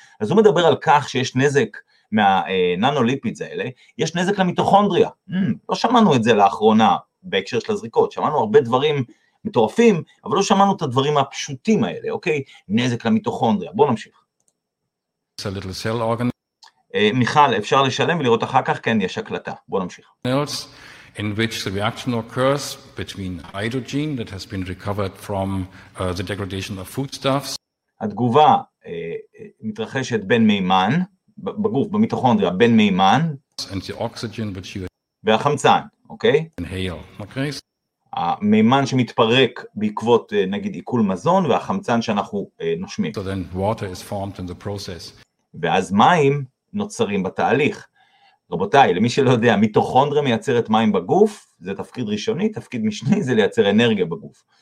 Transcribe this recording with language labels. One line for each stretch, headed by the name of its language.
Hebrew: אז הוא מדבר על כך שיש נזק מהננוליפידס האלה, יש נזק למיטוכונדריה. לא שמענו את זה לאחרונה בהקשר של הזריקות, שמענו הרבה דברים מטורפים, אבל לא שמענו את הדברים הפשוטים האלה, אוקיי? נזק למיטוכונדריה, בואו נמשיך.
English: It's a little cell organ.
Hebrew: מיכל, אפשר לשלם ולראות אחר כך? כן, יש הקלטה, בואו נמשיך.
English: In which the reaction occurs between hydrogen that has been recovered from the degradation of foodstuffs.
Hebrew: התגובה מתרחשת בין מימן, בגוף, במיטוכונדריה, בין מימן
English: and the oxygen, which you...
Hebrew: והחמצן, אוקיי?
English: Inhale, אוקיי?
Hebrew: המימן שמתפרק בעקבות, נגיד, עיכול מזון, והחמצן שאנחנו נושמים.
English: So then water is formed in the process.
Hebrew: ואז מים נוצרים בתהליך. רבותיי, למי שלא יודע, מיטוכונדריה מייצרת מים בגוף, זה תפקיד ראשוני, תפקיד משני זה לייצר אנרגיה בגוף.